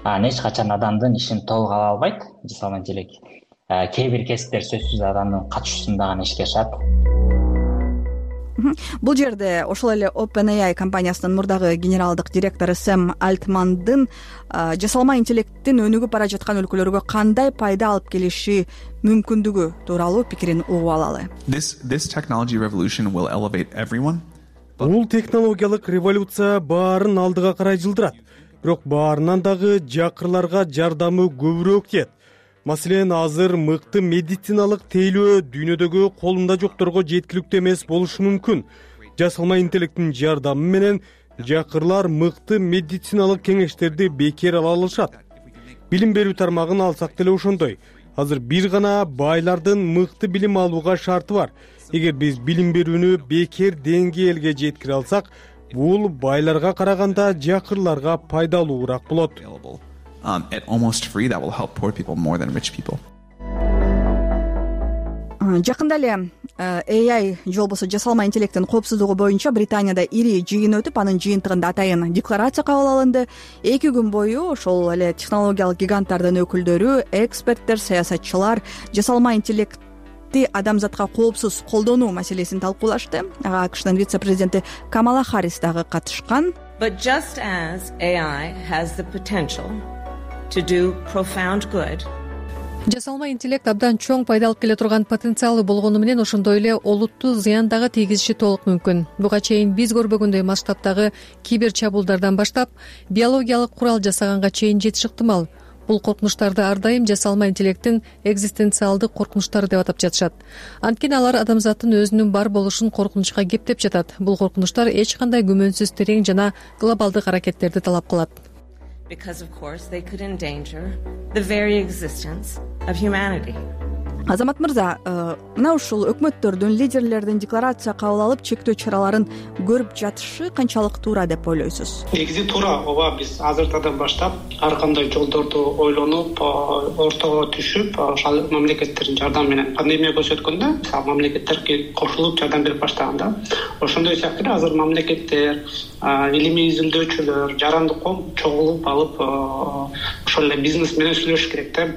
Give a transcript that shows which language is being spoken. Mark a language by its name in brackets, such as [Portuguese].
[Kyrgyz] Эч качан адамдын ишин толук ала албайт жасалма интеллект. Кээ бир кесиптер сөзсүз адамдын катышуусунда гана иштешет. Бул жерде ошол эле OpenAI компаниясынын мурдагы генералдык директору Сэм Альтмандын жасалма интеллекттин өнүгүп бара жаткан өлкөлөргө кандай пайда алып келиши мүмкүндүгү тууралуу пикирин угуп алалы. [English] This technology revolution will elevate everyone. [Kyrgyz] Бул технологиялык революция баарын алдыга карай жылдырат. Бирок баарынан дагы жакырларга жардамы көбүрөөк тиет. Маселен, азыр мыкты медициналык тейлөө дүйнөдөгү колунда жокторго жеткиликтүү эмес болушу мүмкүн. Жасалма интеллекттин жардамы менен жакырлар мыкты медициналык кеңештерди бекер ала алышат. Билим берүү тармагын алсак деле ошондой. Азыр бир гана байлардын мыкты билим алууга шарты бар. Эгер биз билим берүүнү бекер деңгээлге жеткире алсак, бул байларга караганда жакырларга пайдалуураак болот. [English] At almost free that will help poor people more than rich people. [Kyrgyz] Жакында эле AI же болбосо жасалма интеллекттин коопсуздугу боюнча Британияда ири жыйын өтүп, анын жыйынтыгында атайын декларация кабыл алынды. 2 күн бою ошол эле технологиялык гиганттардын өкүлдөрү, эксперттер, саясатчылар жасалма интеллект адамзатка коопсуз колдонуу маселесин талкуулашты. Ага АКШнын вице-президенти Камала Харрис дагы катышкан. [English] But just as AI has the potential to do profound good. [Kyrgyz] Жасалма интеллект абдан чоң пайда алып келе турган потенциалы болгону менен ошондой эле олуттуу зыян дагы тийгизиши толук мүмкүн. Буга чейин биз көрбөгөндөй масштабтагы кибер чабуулдардан баштап, биологиялык курал жасаганга чейин жетиш ыктымал. Бул коркунучтарды ар дайым жасалма интеллекттин экзистенциалдык коркунучтары деп атап жатышат. Анткени алар адамзаттын өзүнүн бар болушун коркунучка кептеп жатат. Бул коркунучтар эч кандай күмөнсүз терең жана глобалдык аракеттерди талап кылат. [English] Because of course they could endanger the very existence of humanity. [Kyrgyz] Азамат Мырза, мына ушул өкмөттөрдүн, лидерлердин декларация кабыл алып, чектөө чараларын көрүп жатышы канчалык туура деп ойлойсуз? Негизи туура, ооба, биз азыртадан баштап ар кандай жолдорду ойлонуп, ортого түшүп, ошол мамлекеттердин жардамы менен пандемия көрсөткөндө, мисалы, мамлекеттер кошулуп жардам берип баштаганда, ошондой сыяктуу эле азыр мамлекеттер, илимий изилдөөчүлөр, жарандык коом чогулуп алып, ошол эле бизнес менен сүйлөшүш керек да.